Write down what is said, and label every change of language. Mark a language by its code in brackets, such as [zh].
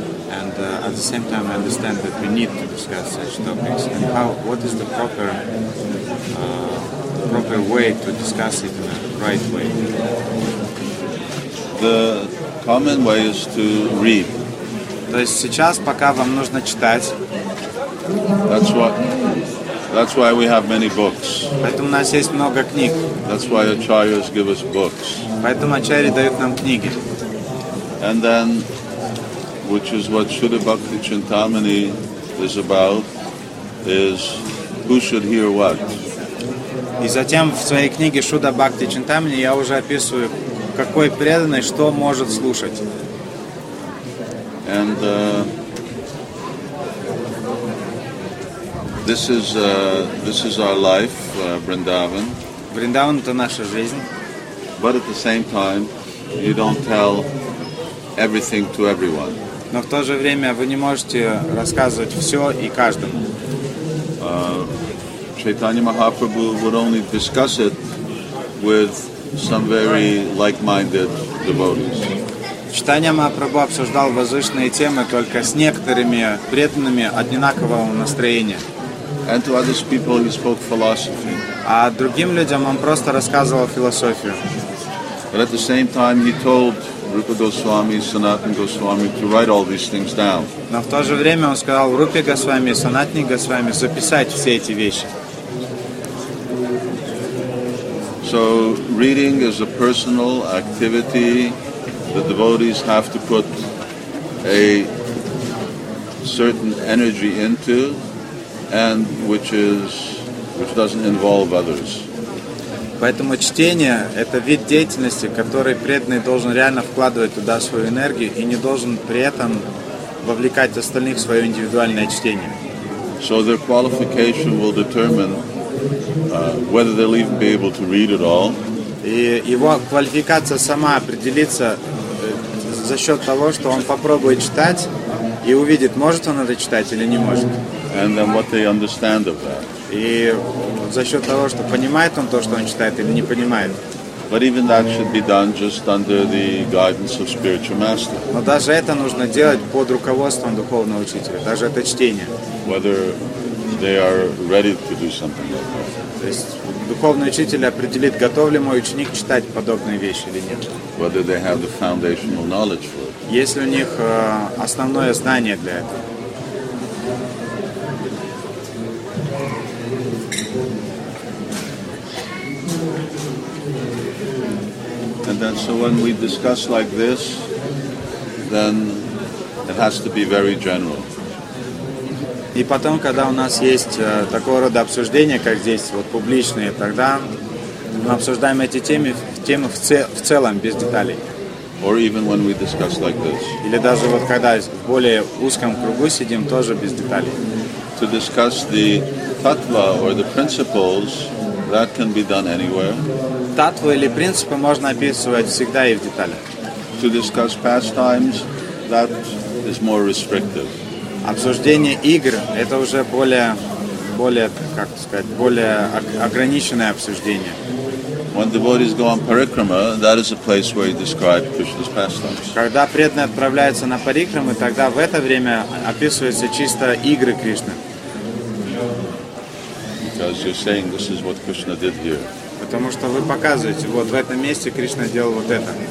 [en] And at the same time, I understand that we need to discuss such topics. And what is the proper way to discuss it in a right way? The common way is to read. [ru] То есть сейчас пока вам нужно читать. [en] That's why we have many books. [ru] Поэтому у нас есть много книг. [en] That's why acharyas give us books. [ru] Поэтому ачарьи дают нам книги. [en] And then, which is what Shuddha Bhakti Chintamani is about, is who should hear what. [ru] И затем в своей книге Shuddha Bhakti Chintamani я уже описываю, какой преданный что может слушать. [en] And This is our life, Vrindavan. [ru] Vrindavan – это наша жизнь. [en] But at the same time, you don't tell everything to everyone. [ru] Но в то же время вы не можете рассказывать все и каждому. [en] Chaitanya Mahaprabhu would only discuss it with some very like-minded devotees. [ru] Chaitanya Mahaprabhu обсуждал возвышенные темы только с некоторыми преданными одинакового настроения. [en] And to other people, he spoke philosophy. [ru] А другим людям он просто рассказывал философию. [en] But at the same time, he told Rupa Goswami, Sanatana Goswami to write all these things down. [ru] Но в то же время он сказал Рупе Госвами, Санатане Госвами записать все эти вещи. [en] So reading is a personal activity. The devotees have to put a certain energy into. And which doesn't involve others. [ru] Поэтому чтение это вид деятельности, который преданный должен реально вкладывать туда свою энергию и не должен при этом вовлекать остальных в свое индивидуальное чтение. [en] So their qualification will determine whether they'll even be able to read it all. [ru] И его квалификация сама определится за счет того, что он попробует читать и увидит, может он это читать или не может. [en] And then what they understand of that. [ru] И за счет того, что понимает он то, что он читает, или не понимает. [en] But even that should be done just under the guidance of spiritual master. [ru] Но даже это нужно делать под руководством духовного учителя, даже это чтение. [en] Whether they are ready to do something like that. [ru] То есть духовный учитель определит, готов ли мой ученик читать подобные вещи или нет. [en] Whether they have the foundational knowledge for it. [ru] Есть ли у них основное знание для этого? [en] And so when we discuss like this, then it has to be very general. [ru] И потом, когда у нас есть такого рода обсуждения, как здесь, вот публичные, тогда мы обсуждаем эти темы в целом, без деталей. [en] Or even when we discuss like this. [ru] Или даже вот когда в более узком кругу сидим, тоже без деталей. [en] To discuss the tattva or the principles, that can be done anywhere. [ru] Tattva или принципы можно описывать всегда и в деталях. [en] To discuss pastimes, that is more restrictive. [ru] Обсуждение игр – это уже более, как сказать, более ограниченное обсуждение. [en] When devotees go on parikrama, that is a place where you describe Krishna's pastimes. [ru] Когда преданные отправляются на парикрамы, тогда в это время описываются чисто игры Кришны. [en] Because you're saying this is what Krishna did here. [ru] Потому что вы показываете, вот в этом месте Кришна делал вот это.